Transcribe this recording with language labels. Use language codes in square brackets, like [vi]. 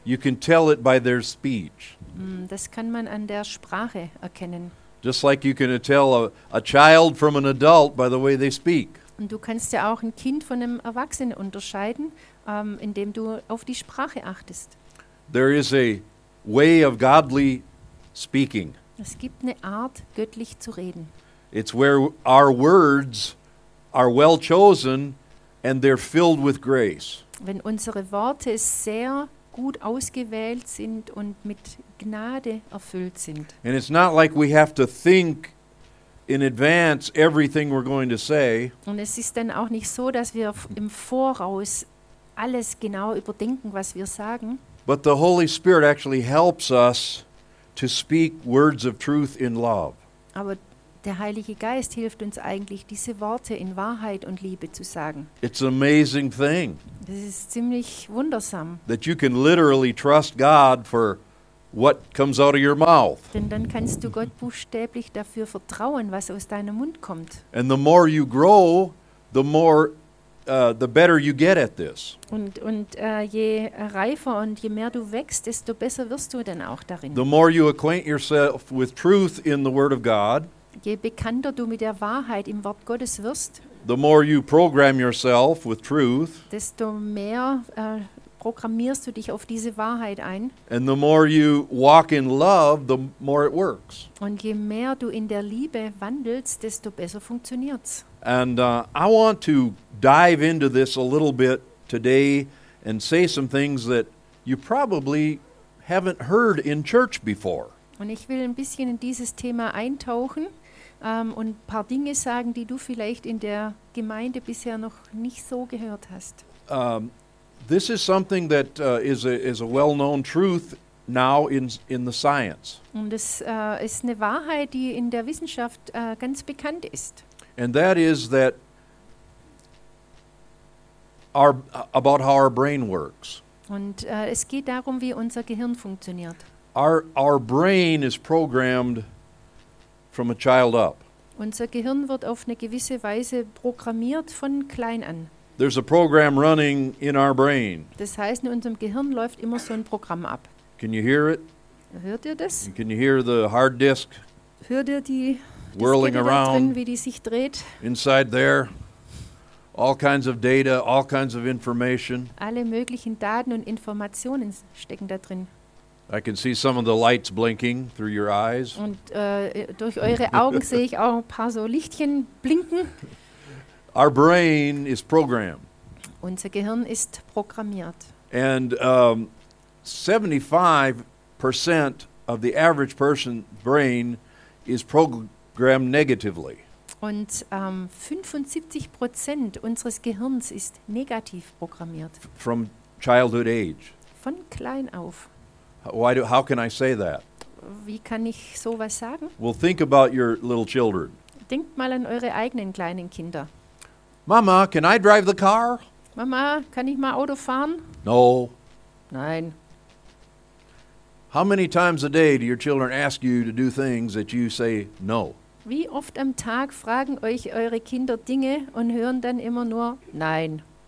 [en] You can tell it by their speech. [de] Das kann man an der Sprache erkennen. [en] Just like you can tell a child from an adult by the way they speak. [de] Und du kannst ja auch ein Kind von einem Erwachsenen unterscheiden, indem du auf die Sprache achtest. [en] There is a way of godly speaking. [de] Es gibt eine Art, göttlich zu reden. [en] It's where our words are well chosen and they're filled with grace. [de] Wenn unsere Worte sehr gut ausgewählt sind und mit Gnade erfüllt sind. [en] And it's not like we have to think in advance everything we're going to say. [de] Und es ist dann auch nicht so, dass wir im Voraus alles genau überdenken, was wir sagen. [en] But the Holy Spirit actually helps us to speak words of truth in love. [de] Aber der Heilige Geist hilft uns eigentlich, diese Worte in Wahrheit und Liebe zu sagen. [en] It's an amazing thing. [de] Das ist ziemlich wundersam. [en] That you can literally trust God for what comes out of your mouth. [de] Denn dann kannst du Gott buchstäblich dafür vertrauen, was aus deinem Mund kommt. [en] And the more you grow, the more the better you get at this. [de] Und je reifer und je mehr du wächst, desto besser wirst du dann auch darin. [en] The more you acquaint yourself with truth in the Word of God, [de] je bekannter du mit der Wahrheit im Wort Gottes wirst, [en] the more you program yourself with truth, [de] desto mehr programmierst du dich auf diese Wahrheit ein. [en] And the more you walk in love, the more it works. [de] Und je mehr du in der Liebe wandelst, desto besser funktioniert's. [en] And I want to dive into this a little bit today and say some things that you probably haven't heard in church before. [de] Und ich will ein bisschen in dieses Thema eintauchen und ein paar Dinge sagen, die du vielleicht in der Gemeinde bisher noch nicht so gehört hast. [en] This is something that is a well-known truth now in the science. [de] Und es ist eine Wahrheit, die in der Wissenschaft ganz bekannt ist. [en] And that is that about how our brain works. [de] Und es geht darum, wie unser Gehirn funktioniert. [en] Our brain is programmed from a child up. [de] Unser Gehirn wird auf eine gewisse Weise programmiert von klein an. [en] There's a program running in our brain. [de] Das heißt, in unserem Gehirn läuft immer so ein Programm ab. [en] Can you hear it? [de] Hört ihr das? [en] Can you hear the hard disk? [de] Hört ihr die [en] whirling around? [de] Wie die sich dreht? [en] Inside there, all kinds of data, all kinds of information. [de] Alle möglichen Daten und Informationen stecken da drin. [en] I can see some of the lights blinking through your eyes. [de] Und durch eure Augen sehe ich auch ein paar so Lichtchen blinken. [en] Our brain is programmed. [de] Unser Gehirn ist programmiert. [en] And 75% of the average person's brain is programmed negatively. [de] Und 75% unseres Gehirns ist negativ programmiert. [en] From childhood age. [de] Von klein auf. [en] How can I say that? [de] Wie kann ich sowas sagen? [en] Well, think about your little children. [de] Denkt mal an eure eigenen kleinen Kinder. [en] Mama, can I drive the car? [de] Mama, kann ich mal Auto fahren? [en] No. [de] Nein. [en] How many times a day do your children ask you to do things that you say no? [de] Wie oft am Tag fragen euch eure Kinder Dinge und hören dann immer nur nein.